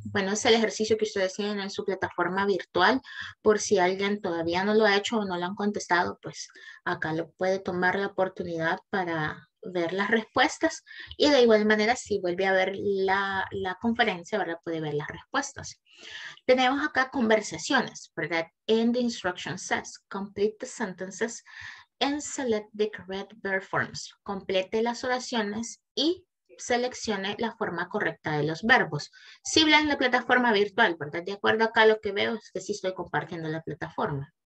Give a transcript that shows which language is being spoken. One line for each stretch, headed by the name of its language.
Spanish: Bueno, es el ejercicio que ustedes tienen en su plataforma virtual. Por si alguien todavía no lo ha hecho o no lo han contestado, pues acá lo puede tomar la oportunidad para ver las respuestas. Y de igual manera, si vuelve a ver la conferencia, ¿verdad? Puede ver las respuestas. Tenemos acá conversaciones, ¿verdad?
English: And the instruction says, complete the sentences and select the correct verb forms.
Spanish: Complete las oraciones y seleccione la forma correcta de los verbos. Si hablan en la plataforma virtual, ¿verdad? De acuerdo acá lo que veo es que sí estoy compartiendo la plataforma.